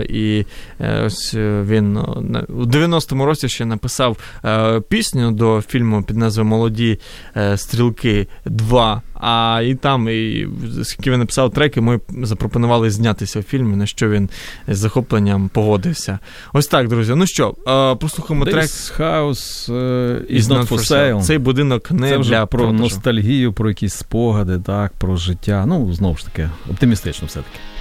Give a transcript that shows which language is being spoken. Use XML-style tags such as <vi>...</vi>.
<uk>І ось він у 90-му році ще написав пісню до фільму під назвою «Молоді стрілки 2», А і там, і скільки він написав треки, ми запропонували знятися в фільмі, на що він з захопленням погодився. Ось так, друзі. Ну що, прослухаємо трек.</uk> <en>This house is not for sale.</en> <uk>Цей будинок не це для про продажу. Ностальгію, про якісь спогади, так, про життя. Ну, знову ж таки, оптимістично все-таки.</uk>